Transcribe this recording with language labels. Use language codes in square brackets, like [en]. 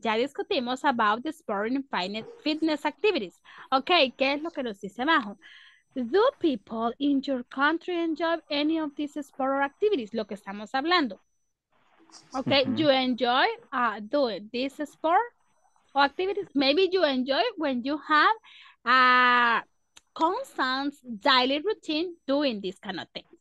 [es] Ya discutimos [en] about the sporting and fitness activities. [es] Okay, ¿qué es lo que nos dice Majo? [en] Do people in your country enjoy any of these sport activities? [es] Lo que estamos hablando. [en] Okay, mm-hmm. You enjoy doing this sport or activities? Maybe you enjoy when you have a constant daily routine doing these kind of things.